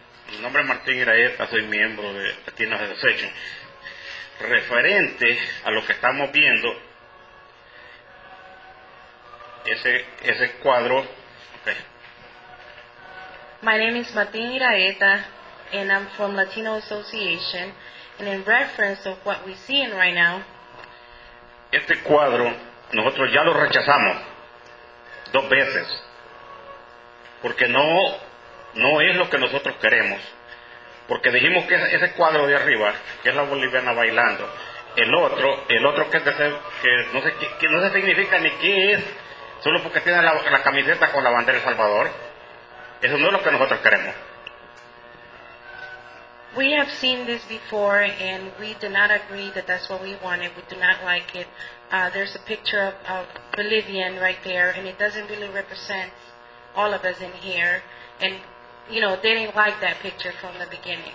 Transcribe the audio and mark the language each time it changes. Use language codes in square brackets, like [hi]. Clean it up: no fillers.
[es] Mi nombre es Martín Iraeta, soy miembro de Latinos de Session. Referente a lo que estamos viendo, ese cuadro. [en] Okay. My name is Martín Iraeta, and I'm from Latino Association. And in reference of what we're seeing right now, [es] este cuadro nosotros ya lo rechazamos dos veces porque no es lo que nosotros queremos. Porque dijimos que ese cuadro de arriba, que es la boliviana bailando, el otro que no se significa ni qué es, solo porque tiene la camiseta con la bandera de El Salvador. Eso no es lo que nosotros queremos. [en] We have seen this before, and we do not agree that that's what we wanted. We do not like it. There's a picture of Bolivian right there, and it doesn't really represent all of us in here. And, you know, they didn't like that picture from the beginning.